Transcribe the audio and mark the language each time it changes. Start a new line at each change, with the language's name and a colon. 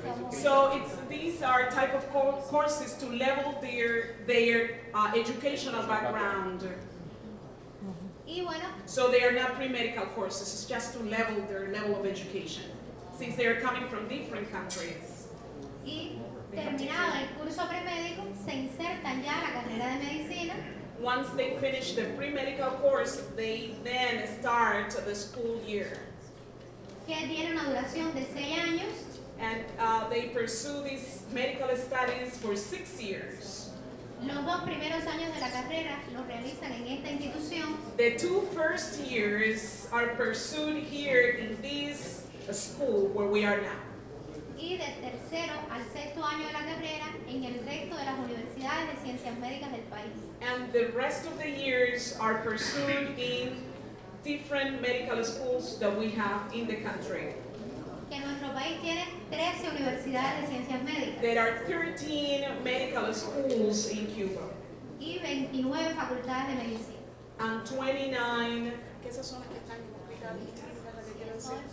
English: so it's these are type of courses to level their educational background. So they are not pre-medical courses, it's just to level their level of education, since they are coming from different countries.
Spanish: Terminado el curso premédico, se insertan ya a la carrera de medicina.
English: Once they finish the pre-medical course, they then start the school year.
Spanish: Que tiene una duración de 6 años.
English: And they pursue these medical studies for 6 years.
Spanish: Los dos primeros años de la carrera los realizan en esta institución.
English: The two first years are pursued here in this school where we are now.
Spanish: Y del tercero al sexto año de la carrera en el resto de las universidades de ciencias médicas del país.
English: And the rest of the years are pursued in different medical schools that we have in the country.
Spanish: Que nuestro país tiene 13 universidades de ciencias médicas.
English: There are 13 medical schools in Cuba.
Spanish: Y 29 facultades de medicina.
English: And 29.
Spanish: ¿Qué esas son las que están en hospitales?